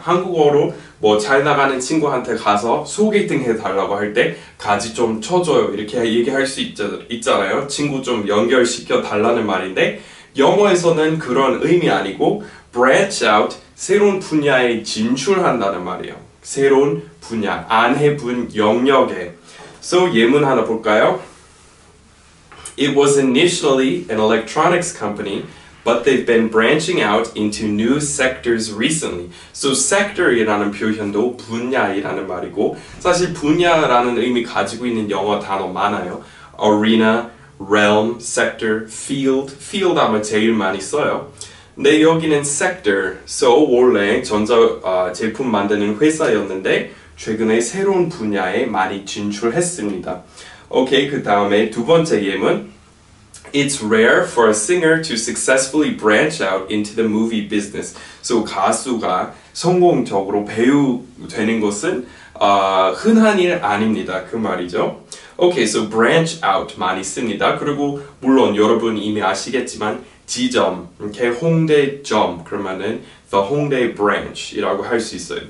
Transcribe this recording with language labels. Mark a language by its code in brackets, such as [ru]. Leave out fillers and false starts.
[ko] 한국어로 뭐 잘 나가는 친구한테 가서 소개팅 해달라고 할 때 가지 좀 쳐줘요 이렇게 얘기할 수 있잖아요. 친구 좀 연결시켜 달라는 말인데 영어에서는 그런 의미 아니고 branch out, 새로운 분야에 진출한다는 말이에요. 새로운 분야, 안 해본 영역에. So, 예문 하나 볼까요? [en] It was initially an electronics company, but they've been branching out into new sectors recently. [ko] So, sector이라는 표현도 분야이라는 말이고, 사실 분야라는 의미 가지고 있는 영어 단어 많아요. arena, realm, sector, field. field 아마 제일 많이 써요. 네, 여기는 sector. So, 원래 제품 만드는 회사였는데 최근에 새로운 분야에 많이 진출했습니다. 오케이, 그 다음에 두 번째 예문. [en] It's rare for a singer to successfully branch out into the movie business. [ko] So, 가수가 성공적으로 배우 되는 것은 흔한 일 아닙니다. 그 말이죠. 오케이, so branch out 많이 씁니다. 그리고 물론 여러분 이미 아시겠지만 지점, 이렇게 홍대점, 그러면은 the 홍대 branch이라고 할 수 있어요.